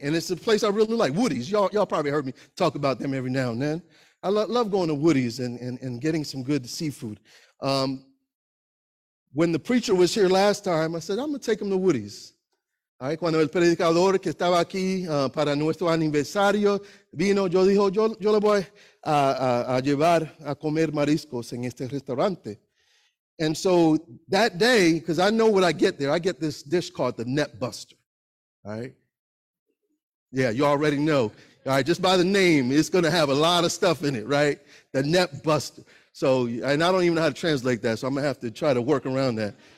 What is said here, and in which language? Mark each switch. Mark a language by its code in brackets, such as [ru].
[en] And it's a place I really like, Woody's. Y'all probably heard me talk about them every now and then. I love going to Woody's and getting some good seafood. When the preacher was here last time, I said, I'm going to take him to Woody's. [es] All right, cuando el predicador que estaba aquí para nuestro aniversario vino, yo dijo, yo le voy a llevar a comer mariscos en este restaurante. [en] And so that day, because I know what I get there, I get this dish called the Net Buster. All right? Yeah, you already know. All right, just by the name, it's going to have a lot of stuff in it, right? The Net Buster. So, and I don't even know how to translate that, so I'm going to have to try to work around that.